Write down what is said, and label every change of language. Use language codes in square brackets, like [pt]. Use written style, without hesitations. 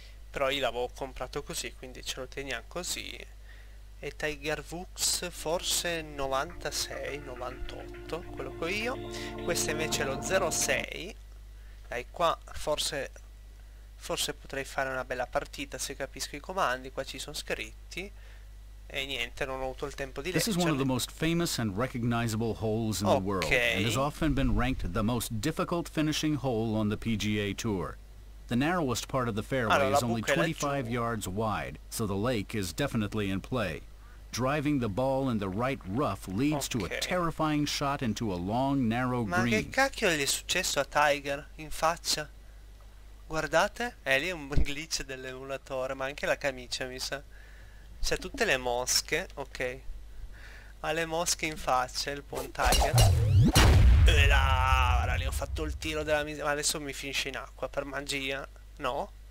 [it] Però io l'avevo comprato così, quindi ce lo teniamo così. E Tiger Woods forse 96, 98, quello che ho io. Questo invece è lo 06. Dai, qua forse potrei fare una bella partita se capisco i comandi, qua ci sono scritti. E niente, non ho avuto il tempo di [en] This is one of the most famous and recognizable holes in the world, and has often been ranked the most difficult finishing hole on the PGA Tour. The narrowest part of the fairway [it] allora, [en] is only 25 yards wide, so the lake is definitely in play. Driving the ball in the right rough leads to a terrifying shot into a long narrow [it] Ma [en] green. [it] Ma che cacchio gli è successo a Tiger in faccia? Guardate, lì è un glitch dell'emulatore, ma anche la camicia mi sa. C'è tutte le mosche, ok. Ha le mosche in faccia, il buon Tiger. E là, ora lì ho fatto il tiro della miseria, ma adesso mi finisce in acqua per magia. No?